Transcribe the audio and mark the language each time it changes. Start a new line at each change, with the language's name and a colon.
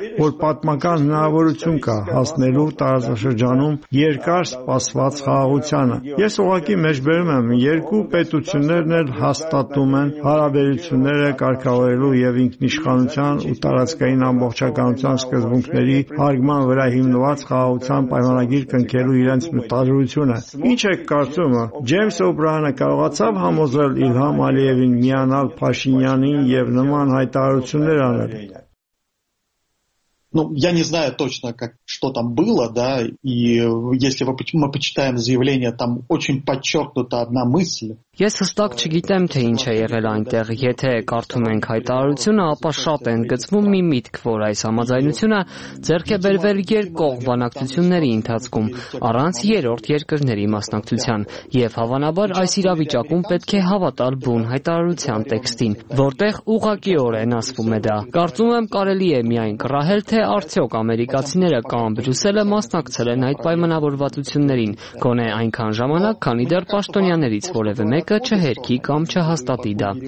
Armenian: որ պատմական հնարավորություն կա հասնելու տարածաշրջանում երկար սպասված խաղաղությանը։ Ես ուղղակի մեջբերում եմ, երկու պետություններն էլ հաստատում են հարաբերությունները կարգավորելու և ինքնիշխանության ու տարածքային ամբողջականության սկզբունքների հարգման վրա նված խաղաղության պայմանագիր կնքելու իրենց մտադրությունը։ Ինչ է կարծում, Ջեյմս Օբրայանը կարողացավ համոզել Իլհամ Ալիևին միանալ Փաշինյանին և նման հայտարարություններ անել։
Russian: Ну, я не знаю точно, как, что там было, да, и если мы почитаем заявление, там очень подчеркнута одна мысль.
Armenian: Ես հստակ չգիտեմ, թե ինչ է եղել այնտեղ, եթե կարդում ենք հայտարարությունը, ապա շատ է ընդգծվում մի միտք, որ այս համաձայնությունը ձեռք է բերվել երկկողմ բանակցությունների ընթացքում, առանց երրորդ երկրների մասնակցության, և հավանաբար այս իրավիճակում պետք է հավատալ բուն հայտարարության տեքստին, որտեղ ուղղակիորեն ասվում է դա։ Կարծում եմ, կարելի է միայն կռահել, թե արդյոք ամերիկացիները կամ Բրյուսելը մասնակցել են այդ պայմանավորվածություններին, գոնե այնքան ժամանակ, քանի դեռ պաշտոնյաներից որևէ մեկը չհերքի կամ չհաստատի դա։